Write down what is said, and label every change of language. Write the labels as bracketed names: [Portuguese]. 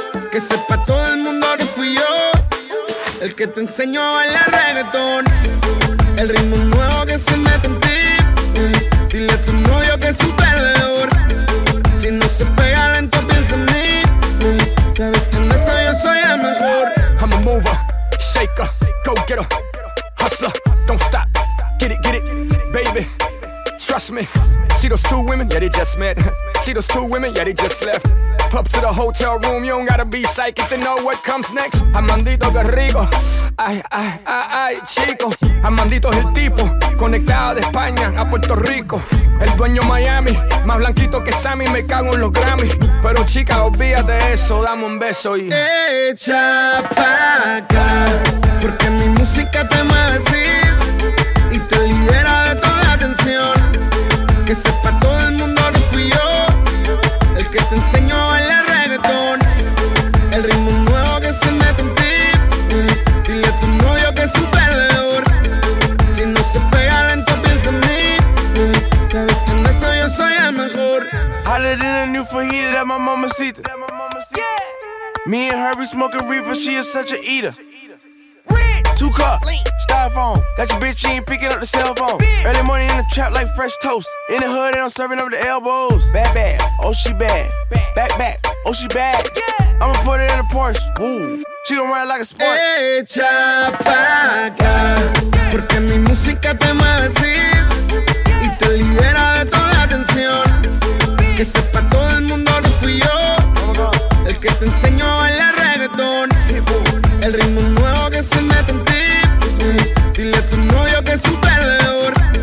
[Spanish] Que sepa todo el mundo que fui yo el que te enseñó a bailar reggaetón. El ritmo nuevo que se mete en ti. Dile a tu novio que es un perdedor. Si no se pega lento, piensa en mí. Sabes que no estoy, yo soy el mejor. [English] I'm a mover, shaker, go getter, hustler, don't stop. Get it, baby. Trust me. See those two women? Yeah, they just met. See those two women? Yeah, they just left. Up to the hotel room, you don't gotta be psychic to know what comes next. [Spanish] Amandito Garrigo, ay, ay, ay, ay, chico. Amandito es el tipo, conectado de España a Puerto Rico. El dueño Miami, más blanquito que Sammy, me cago en los Grammy. Pero chica, olvídate de eso, dame un beso y... Echa pa' acá, porque mi música te mueve así y te libera de toda atención. Que sepa todo el mundo que fui yo el que te enseñó a bailar reggaetón. El ritmo nuevo que se mete en ti. Dile a tu novio que es un perdedor. Si no se pega lento, piensa en mí. Sabes que en esto yo soy el mejor. [English] Hotter than a new fajita, that my mama see that. Me and her be smoking reefer, she is such a eater. Two cup, styrofoam. Got your bitch, she ain't picking up the cell phone. Bitch. Early morning in the trap like fresh toast. In the hood and I'm serving up the elbows. Bad, bad, oh she bad. Back, back, oh she bad. Yeah. I'ma put it in a Porsche. Ooh, she gon' ride like a sport. [Spanish] Echa pa' acá, porque mi música te mueve así y te libera de toda atención. Que sepa todo el mundo que fui yo el que te enseñó a bailar reggaetón. El ritmo nuevo que se mete en ti. Dile a tu novio que es un perdedor.